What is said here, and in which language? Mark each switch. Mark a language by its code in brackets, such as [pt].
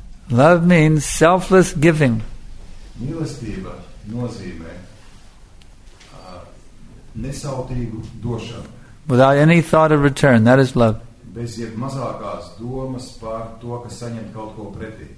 [en] Love means selfless giving. [lv] Mīlestība nozīmē nesautīgu došanu. [en] Without any thought of return, that is love. [lv] Bez jeb mazākās domas par to, ka saņemt kaut ko pretī.